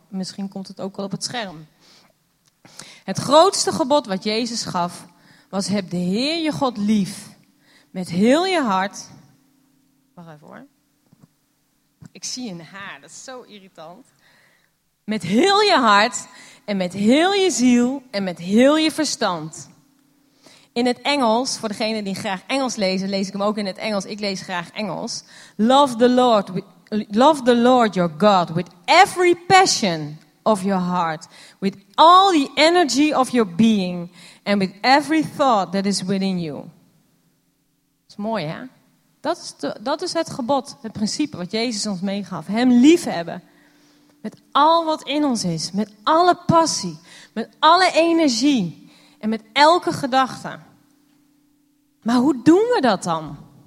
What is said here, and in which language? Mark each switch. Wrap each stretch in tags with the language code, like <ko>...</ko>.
<nl>Misschien komt het ook wel op het scherm. Het grootste gebod wat Jezus gaf, was: heb de Heer je God lief met heel je hart. Wacht even hoor. Ik zie een haar, dat is zo irritant. Met heel je hart en met heel je ziel en met heel je verstand. In het Engels, voor degene die graag Engels lezen, lees ik hem ook in het Engels. Ik lees graag Engels.</nl> <en>Love the Lord your God with every passion of your heart. With all the energy of your being. And with every thought that is within you.</en> <nl>Dat is mooi, hè? Dat is het gebod, het principe wat Jezus ons meegaf. Hem lief hebben. Met al wat in ons is. Met alle passie. Met alle energie. En met elke gedachte. Maar hoe doen we dat dan?</nl>